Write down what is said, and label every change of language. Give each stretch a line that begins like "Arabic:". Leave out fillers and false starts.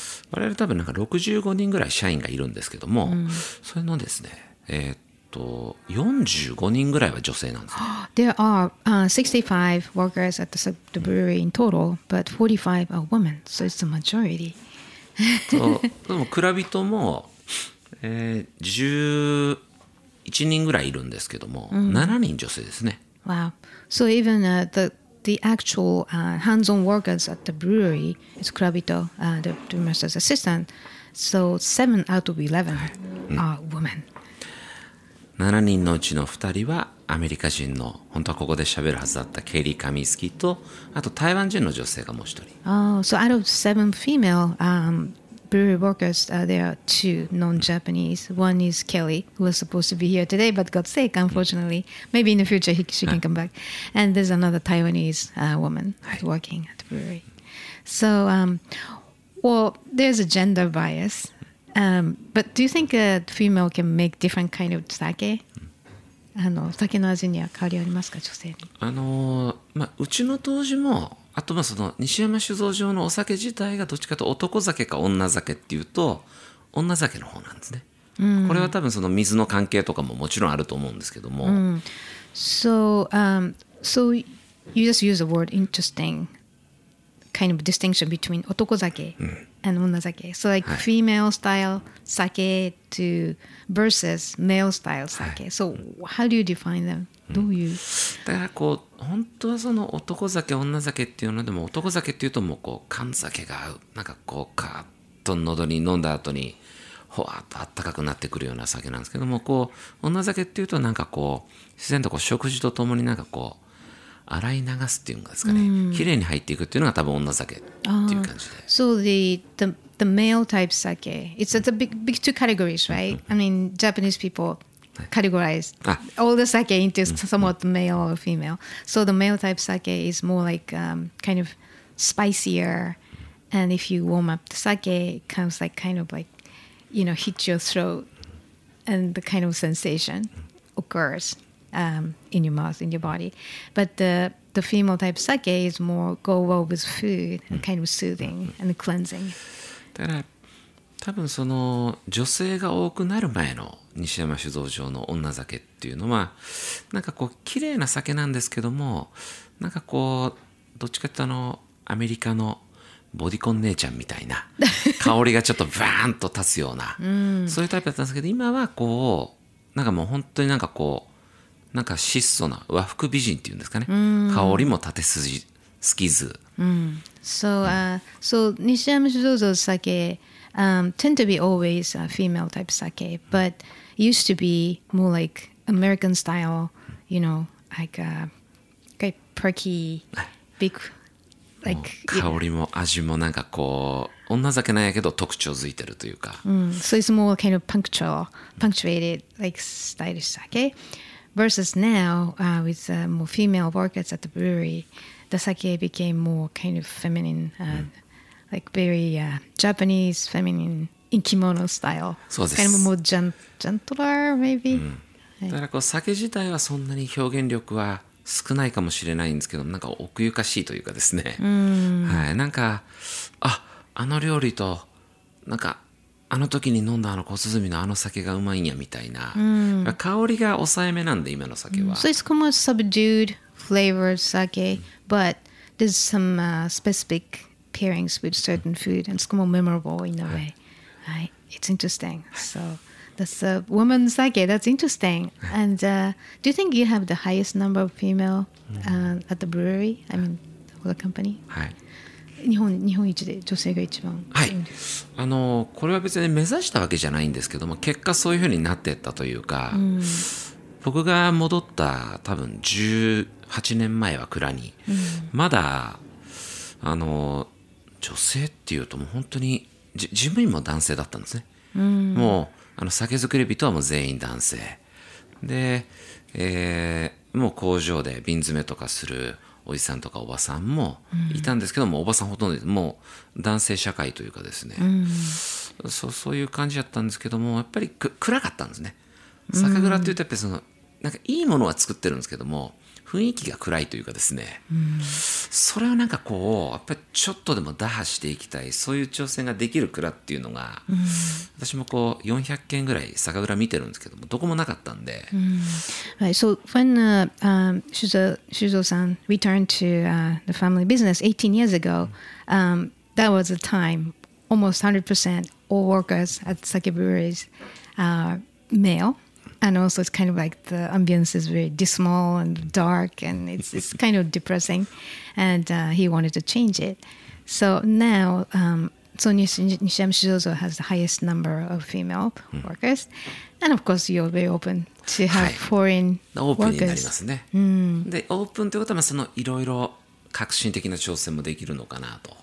Japanese: 我々多分なんか65人ぐらい社員がいるんですけども、それのですね、45人ぐらいは女性なんですね。
English: There are 65 workers at the brewery in total, but 45 are women, so it's the majority.
Japanese: でも蔵人も、11人ぐらいいるんですけども、7人女性ですね。
English: Wow. So even the actual hands-on workers at the brewery is 蔵人, the brewmaster's assistant. So 7 out of 11 are women. 7人のうちの2人はアメリカ人の、本当はここで喋るはずだったケイリー・カミスキーと、あと台湾人の女性がもう1人。 So out of 7 female brewery workers, there are 2 non-Japanese. One is Kelly, who was supposed to be here today but got sick, unfortunately. Maybe in the future she can come back. And there's another Taiwanese woman working at the brewery. So, well, there's a gender bias. But do you think a female can make different kind of sake?
Japanese: Sake の味には変わりありますか、女性に。うちの当時も、あとまあその西山酒造場のお酒自体がどっちかと男酒か女酒っていうと女酒の方なんですね。これは多分その水の関係とかももちろんあると思うんですけども。
English: So you just use the word interesting kind of distinction between 男酒。 And unazake. So like female style sake to versus male style sake. So how do you define them? Do you?
Japanese: だからこう本当はその男酒女酒っていうのでも、男酒っていうともうこう缶酒が合う、なんかこうカーッと喉に飲んだ後にほわっとあったかくなってくるような酒なんですけども、こう女酒っていうとなんかこう自然とこう食事とともになんかこう洗い流すっていうんですかね、綺麗に入っていくっていうのが多分女酒っていう感じで。
English: So the male type sake, it's a big two categories, right? I mean, Japanese people categorize all the sake into somewhat male or female. So the male type sake is more like kind of spicier, and if you warm up the sake, it comes like kind of like, you know, hit your throat, and the kind of sensation occurs. In your mouth, in your body. But the female type sake is more go well with food and kind of soothing and cleansing.
Japanese: だから多分その女性が多くなる前の西山酒造場の女酒っていうのはなんかこう綺麗な酒なんですけども、なんかこうどっちかというとアメリカのボディコン姉ちゃんみたいな香りがちょっとバーンと立つような、そういうタイプだったんですけど、今はこうなんかもう本当になんかこうなんか質素な和服美人っていうんですかね、香りも立て筋好きず。
English: So Nishiyama Shuzozo's sake tend to be always a female type sake, but used to be more like American style, you know, like a perky, big, like
Japanese: 香りも味もなんかこう女酒なんやけど特徴づいてるというか。
English: So it's more kind of punctuated, like stylish sake. Versus now, with more female workers at the brewery, the sake became more kind of feminine, like very Japanese feminine in kimono style.
Japanese: そうです。
English: Kind of more gentler, maybe.、
Japanese: だからこう酒自体はそんなに表現力は少ないかもしれないんですけど、なんか奥ゆかしいというかですね。はい。なんか、あの料理と、なんか、あの時に飲んだあの小鼓のあの酒がうまいんやみたいな、香りが抑えめなんで今の酒は。
English: So it's more subdued flavored sake, but there's some specific pairings with certain food, and it's more memorable in a way. It's interesting. So the That's a woman sake. That's interesting. And do you think you have the highest number of female at the brewery? I mean, for the company?
Japanese: はい。日本一で女性が一番。はい。これは別に目指したわけじゃないんですけども、結果そういうふうになってったというか、僕が戻った多分18年前は蔵に、まだ、女性っていうともう本当に、事務員も男性だったんですね。もう、酒造り人はもう全員男性で、もう工場で瓶詰めとかするおじさんとかおばさんもいたんですけども、おばさんほとんどもう男性社会というかですね、そういう感じだったんですけども、やっぱり暗かったんですね。酒蔵っていうとやっぱりそのなんかいいものは作ってるんですけども、雰囲気が暗いというかですね、それをなんかこうやっぱりちょっとでも打破していきたい、そういう挑戦ができる蔵っていうのが、私もこう400軒ぐらい酒蔵見てるんですけども、どこもなかったんで、
English: Right, so when Shuzo san returned to the family business 18 years ago, that was a time almost 100% all workers at sake breweries are male. And also it's kind of like the ambience is very dismal and dark and it's kind of depressing. And he wanted to change it. So now, Nishiyama Shizuzo has the highest number of female workers. And of course, you're very open to have foreign workers.
Japanese: オープンになりますね。で、オープンということは、そのいろいろ革新的な挑戦もできるのかなと。